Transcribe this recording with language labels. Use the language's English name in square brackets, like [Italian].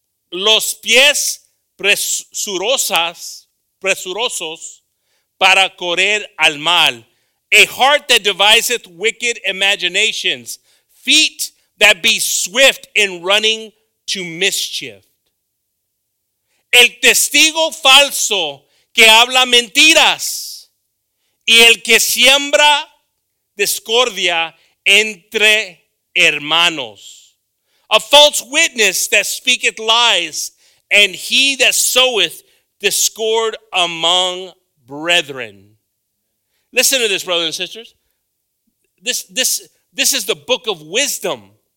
[Spanish] Los pies presurosos para correr al mal. [English] A heart that deviseth wicked imaginations. Feet that be swift in running to mischief. [Spanish] el testigo falso que habla mentiras y el que siembra discordia entre hermanos. [English] A false witness that speaketh lies, and he that soweth discord among brethren. Listen to this, brothers and sisters. This is the book of wisdom.